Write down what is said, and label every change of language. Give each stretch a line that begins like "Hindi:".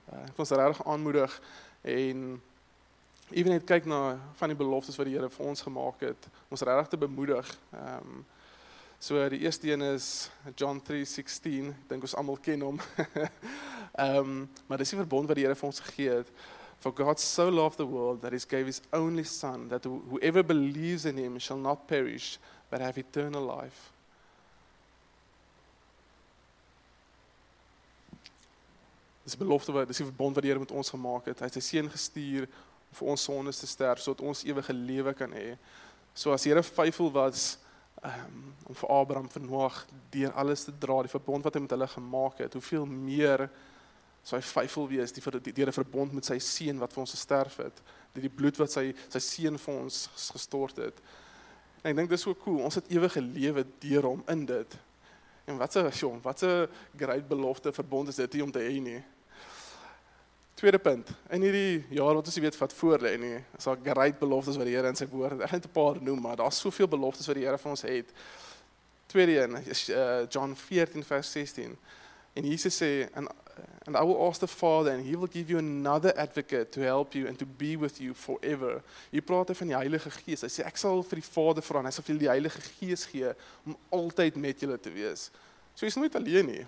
Afrikaans: Ek was regtig aanmoedig en even net kyk na van die beloftes wat die Here vir ons gemaak het, ons regtig te bemoedig. So die eerste een is John 3:16, ek dink ons almal ken hom. maar dis die verbond wat die Here vir ons gegee het.
English: For God so loved the world that he gave his only son, that whoever believes in him shall not perish, but have eternal life.
Afrikaans: Dis belofte wat, dis die verbond wat die Here met ons gemaak het. Hy het sy seun gestuur om vir ons sondes te sterf, sodat ons ewige lewe kan hê. So as die Here vyfvol was om vir Abraham, vir Noag, deur alles te dra, die verbond wat hy met hulle gemaak het, hoeveel meer sal hy vyfvol wees deur 'n verbond met sy seun wat vir ons gesterf het, die bloed wat sy seun vir ons gestort het. En ek dink dis so cool, ons het ewige lewe deur hom in dit. En wat 'n great belofte verbond is dit hier om te hê nie. Tweede punt, in hierdie jaar wat ons weet wat voor lê nie, is daar great beloftes wat die Here in sy woord, ek het 'n paar noem, maar daar is soveel beloftes wat die Here vir ons het. Tweede een is John 14 vers 16. En Jesus sê,
English: and I will ask the Father and he will give you another advocate to help you and to be with you forever.
Afrikaans: Hy praat van die Heilige Gees. Hy sê ek sal vir die Vader vra en hy sal vir die Heilige Gees gee om altyd met julle te wees. So jy is nooit alleen nie.